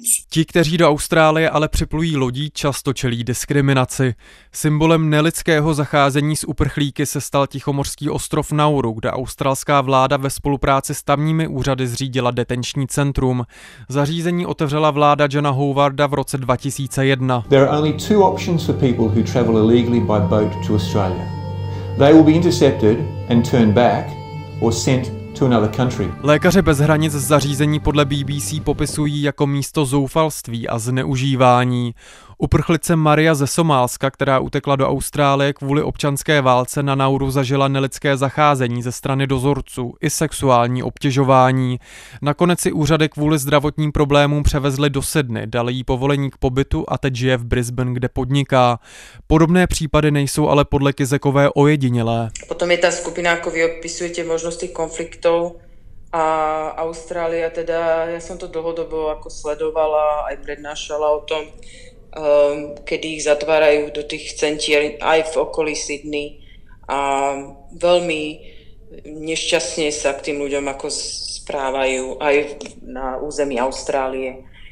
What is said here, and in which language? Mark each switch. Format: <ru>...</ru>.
<cs>Ti, kteří do Austrálie ale připlují lodí, často čelí diskriminaci. Symbolem nelidského zacházení s uprchlíky se stal tichomořský ostrov Nauru, kde australská vláda ve spolupráci s tamními úřady zřídila detenční centrum. Zařízení otevřela vláda Johna Howarda v roce 2001.</cs> <en>There are only two options for people who travel illegally by boat to Australia. They will be intercepted and turned back or sent.</en> <cs>Lékaři bez hranic zařízení podle BBC popisují jako místo zoufalství a zneužívání. Uprchlice Maria ze Somálska, která utekla do Austrálie kvůli občanské válce, na Nauru zažila nelidské zacházení ze strany dozorců i sexuální obtěžování. Nakonec si úřady kvůli zdravotním problémům převezly do Sydney, dali jí povolení k pobytu a teď žije v Brisbane, kde podniká. Podobné případy nejsou ale podle Kizekové ojedinělé. Potom je ta skupina, jako vy opisujete možnosti konfliktu.</cs> <sk>A Austrália teda, ja som to dlhodobo ako sledovala, aj prednášala o tom, kedy ich zatvárajú do tých centier aj v okolí Sydney a veľmi nešťastne sa k tým ľuďom ako správajú aj na území Austrálie.</sk>